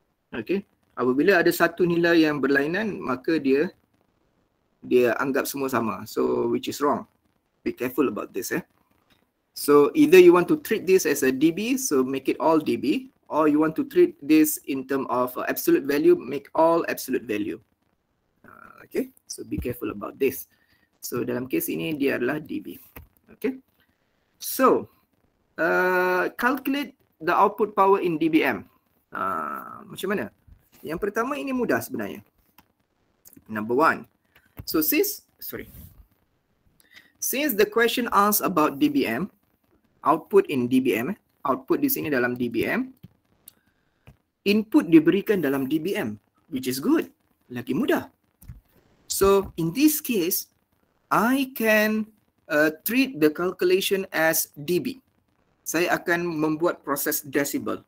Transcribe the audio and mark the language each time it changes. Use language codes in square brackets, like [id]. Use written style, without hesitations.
[ms] Okay, apabila ada satu nilai yang berlainan, maka dia anggap semua sama. [en] So which is wrong. Be careful about this . So either you want to treat this as a dB, so make it all dB, or you want to treat this in term of absolute value, make all absolute value. Okay, so be careful about this. So [ms] dalam kes ini dia adalah dB. [en] Okay, so calculate the output power in dBm. [ms] Macam mana? Yang pertama ini mudah sebenarnya. [en] Number one. Since the question asks about dBm, output in dBm, [ms] output di sini dalam dBm, [en] input diberikan dalam dBm, which is good. [ms] Lagi mudah. [en] So in this case, I can treat the calculation as dB. [ms] Saya akan membuat proses decibel.